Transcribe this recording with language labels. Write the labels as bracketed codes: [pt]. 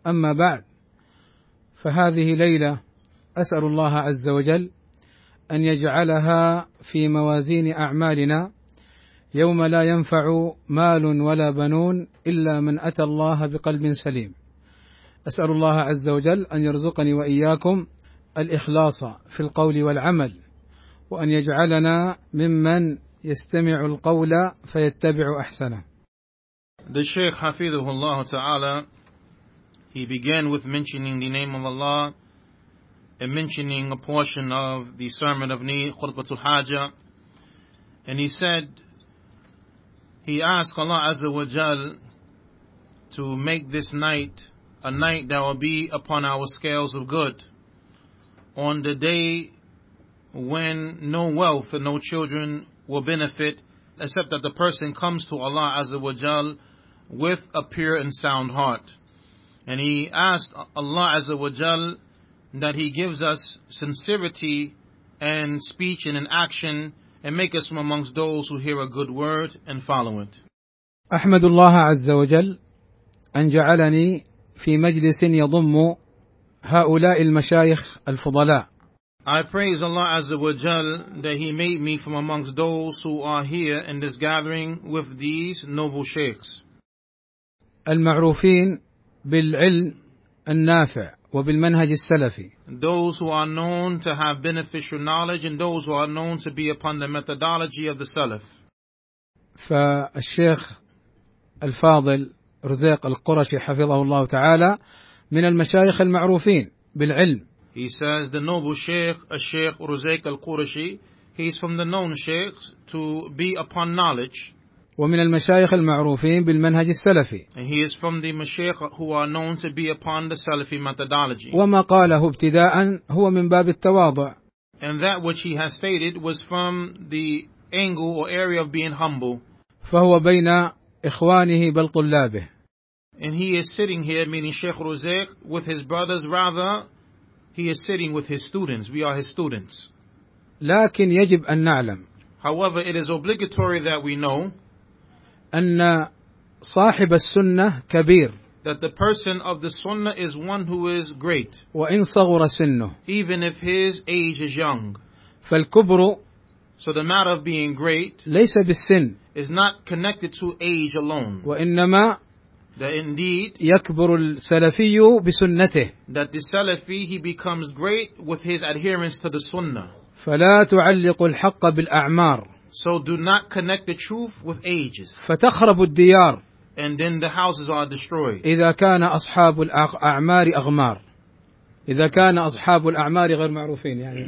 [ar] أما بعد، فهذه ليلة أسأل الله عز وجل أن يجعلها في موازين أعمالنا، يوم لا ينفع مال ولا بنون إلا من أتى الله بقلب سليم. أسأل الله عز وجل أن يرزقني وإياكم الإخلاص في القول والعمل، وأن يجعلنا ممن يستمع القول فيتبع أحسنه. [en] The Shaykh Hafidhullah Ta'ala, he began with mentioning the name of Allah and mentioning a portion of the Sermon of Ni Khutbatul Haja, and he said, he asked Allah Azza wa Jal to make this night a night that will be upon our scales of good, on the day when no wealth and no children will benefit, except that the person comes to Allah Azza wa Jal with a pure and sound heart. And he asked Allah Azza wa Jal that he gives us sincerity and speech and an action, and make us from amongst those who hear a good word and follow it. [ar] أحمد الله عز وجل أن جعلني في مجلس يضم هؤلاء المشايخ الفضلاء. [en] I praise Allah Azza wa Jal that he made me from amongst those who are here in this gathering with these noble sheikhs. [ar] المعروفين بالعلم النافع وبالمنهج السلفي. [en] Those who are known to have beneficial knowledge and those who are known to be upon the methodology of the Salaf. [ar] فالشيخ الفاضل رزاق القرشي حفظه الله تعالى من المشايخ المعروفين بالعلم. [en] He says the noble Sheikh, Sheikh Ruzayk al-Qurashi, he's from the known sheikhs to be upon knowledge. [ar] ومن المشايخ المعروفين بالمنهج السلفي. [en] And he is from the mashayikh who are known to be upon the Salafi methodology. [ar] وما قاله ابتداء هو من باب التواضع. [en] And that which he has stated was from the angle or area of being humble. [ar] فهو بين إخوانه بل طلابه. [en] And he is sitting here, meaning Sheikh Ruzayk, with his brothers, rather he is sitting with his students. We are his students. [ar] لكن يجب أن نعلم. [en] However, it is obligatory that we know [ar] أن صاحب السنة كبير. [en] That the person of the sunnah is one who is great. [ar] وإن صغر سنه. [en] Even if his age is young. [ar] فالكبر. [en] So the matter of being great. [ar] ليس بالسن. [en] Is not connected to age alone. [ar] وإنما. [en] That indeed, [ar] يكبر السلفي بسنته. [en] That the Salafi, he becomes great with his adherence to the Sunnah. [ar] فلا تعلق الحق بالأعمار. [en] So do not connect the truth with ages. [ar] فتخرب الديار. [en] And then the houses are destroyed. [ar] إذا كان أصحاب الأعمار أغمار. إذا كان أصحاب الأعمار غير معروفين يعني.